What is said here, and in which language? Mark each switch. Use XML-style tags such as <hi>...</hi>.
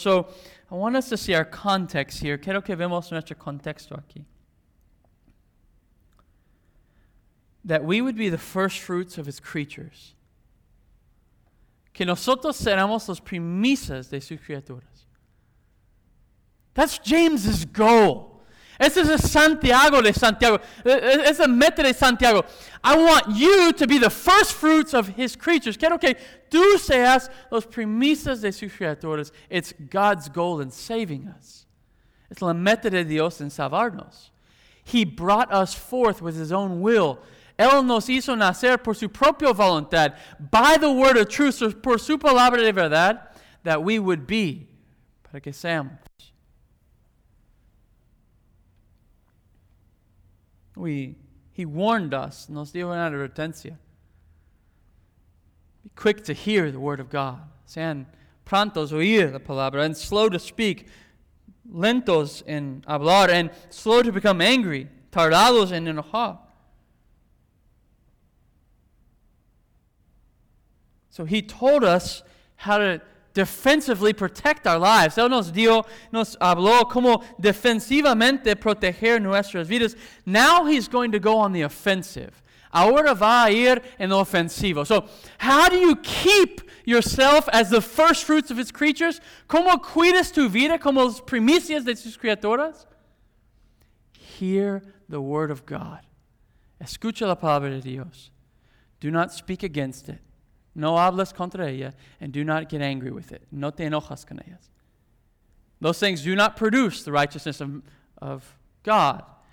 <en>So, I want us to see our context here.</en> <es>Quiero que vemos nuestro contexto aquí.</es> <en>That we would be the first fruits of His creatures.</en> <es>Que nosotros seramos las primicias de sus criaturas.</es> <en>That's James's goal.</en> <es>Ese es Santiago de Santiago. Es el meta de Santiago.</es> <en>I want you to be the first fruits of His creatures.</en> <es>Quiero que tú seas las primicias de sus criaturas.</es> <en>It's God's goal in saving us.</en> <es>Es la meta de Dios en salvarnos.</es> <en>He brought us forth with His own will.</en> <es>Él nos hizo nacer por su propia voluntad,</es> <en>by the word of truth,</en> <es>por su palabra de verdad,</es> <en>that we would be,</en> <es>para que seamos.</es> <en>He warned us,</en> <es>nos dio una advertencia.</es> <en>Be quick to hear the word of God.</en> <es>Sean prontos oír la palabra,</es> <en>and slow to speak,</en> <es>lentos en hablar,</es> <en>and slow to become angry,</en> <es>tardados en enojar.</es> <en>So He told us how to defensively protect our lives.</en> <es>Él nos dio, nos habló cómo defensivamente proteger nuestras vidas.</es> <en>Now He's going to go on the offensive.</en> <es>Ahora va a ir en lo ofensivo.</es> <en>So how do you keep yourself as the first fruits of His creatures?</en> <es>¿Cómo cuidas tu vida como las primicias de sus criaturas?</es> <en>Hear the word of God.</en> <es>Escucha la palabra de Dios. Do not speak against it. No hables contra ella,</es> <en>and do not get angry with it.</en> <es>No te enojas con ellas.</es> <en>Those things do not produce the righteousness of God.</en>